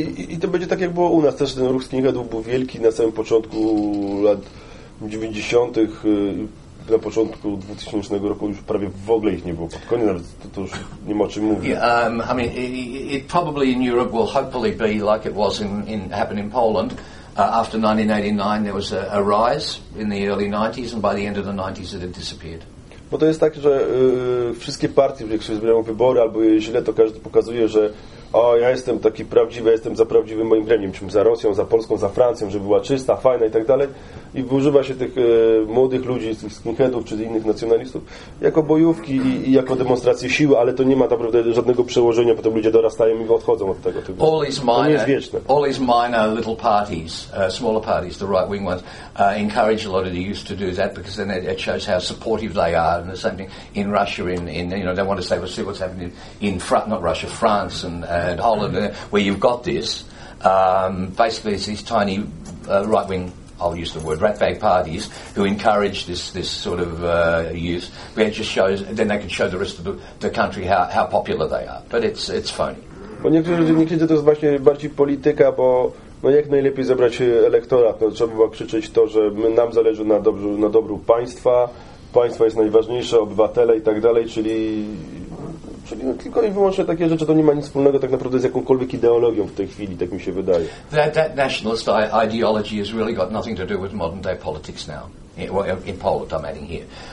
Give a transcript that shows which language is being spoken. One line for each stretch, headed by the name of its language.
Polish: I to będzie tak, jak było u nas też. Ten ruch skinheadów był wielki na samym początku lat 90. Na początku 2000 roku już prawie w ogóle ich nie było. Pod koniec nawet to już nie ma o czym mówić.
English: Yeah, I mean, it probably in Europe will hopefully be like it was happened in Poland. After 1989 there was a rise in the early 90s and by the end of the 90s it had disappeared.
Polish: Bo to jest tak, że wszystkie partie, jak się zbierają wybory albo źle, to każdy pokazuje, że o, ja jestem taki prawdziwy, ja jestem za prawdziwym moim gremium, czym za Rosją, za Polską, za Francją, żeby była czysta, fajna i tak dalej. I używa się tych młodych ludzi, tych skinheadów czy innych nacjonalistów jako bojówki i jako demonstrację siły, ale to nie ma naprawdę żadnego przełożenia, potem ludzie dorastają i odchodzą od tego typu.
English: All these minor,
Polish: to nie jest wieczne.
English: All these minor little parties, smaller parties, the right wing ones, encourage a lot of the youth to do that because then it shows how supportive they are. And the same thing in Russia, in you know, they want to say, well, see what's happening in front, not Russia, France and Holland, where you've got this. Basically, it's these tiny right wing, I'll use the word ratbag parties, who encourage this sort of youth. But it just shows, then they can show the rest of the country how popular they are. But it's phony.
Polish: Bo niektórzy to jest właśnie bardziej polityka, bo no jak najlepiej zebrać elektorat? No, trzeba było krzyczeć to, że nam zależy na dobru państwa. Państwo jest najważniejsze, obywatele i tak dalej, czyli no tylko i wyłącznie takie rzeczy, to nie ma nic wspólnego tak naprawdę z jakąkolwiek ideologią w tej chwili, tak mi się wydaje.
English: That nationalist ideology has really got nothing to do with modern day politics now. In Poland, I'm adding here.